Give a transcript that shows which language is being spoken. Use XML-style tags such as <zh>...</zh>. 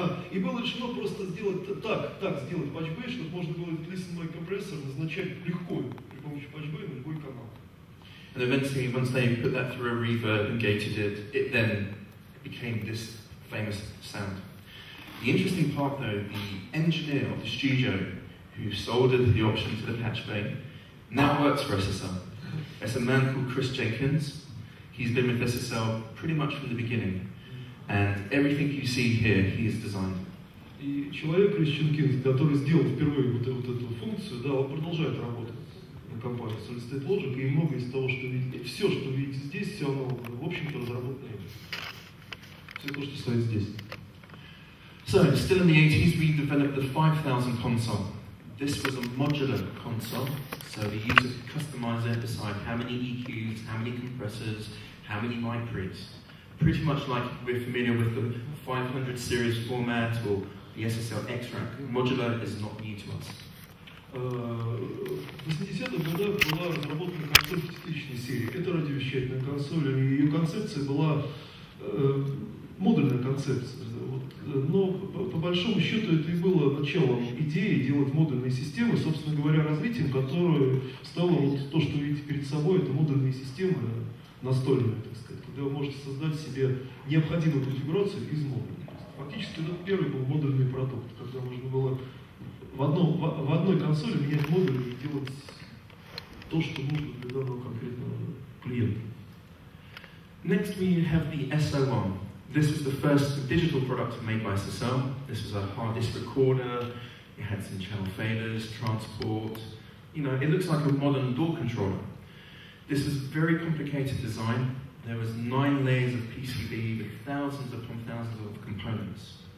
<ru>И было решено просто сделать так сделать патчбэй, чтобы можно было этот</ru> <en>listen mic compressor</en> <ru>назначать легко при помощи патчбэя на любой канал.</ru> <en>And eventually, once they put that through a reverb and gated it, it then became this famous sound. The interesting part, though, the engineer of the studio who soldered the option to the patchbay now works for SSL. It's a man called Chris Jenkins. He's been with SSL pretty much from the beginning, and everything you see here, he has designed.</en> <ru>И человек Крис Ченкинс, который сделал впервые вот эту функцию, да, он продолжает работать на компании Solid-State Logic, и многое из того, что видите, все, что видите здесь, все оно, в общем-то, разработано. Все то, что стоит здесь.</ru> <en>So, still in the 80s, we developed the 5000 console. This was a modular console, so the user could customize it, decide how many EQs, how many compressors, how many micros. Pretty much like we're familiar with the 500 series format or the SSL X-Rack. Modular is not new to us.</en> <ru>В 80-х годах была разработана концепция частичной серии. Это радиовещательная консоль, и ее концепция была модульная концепция. но по большому счету это и было началом идеи делать модульные системы, собственно говоря, развитием, которое стало вот то, что вы видите перед собой, это модульные системы настольные, так сказать, когда вы можете создать себе необходимую конфигурацию из модуля. Фактически это первый был модульный продукт, когда можно было в одной консоли менять модули и делать то, что нужно для данного конкретного клиента.</ru> <en>Next we have the SO1. This was the first digital product made by SSL. This was a hard disk recorder, it had some channel faders, transport. You know, it looks like a modern door controller. This was a very complicated design. There was 9 layers of PCB with thousands upon thousands of components.</en>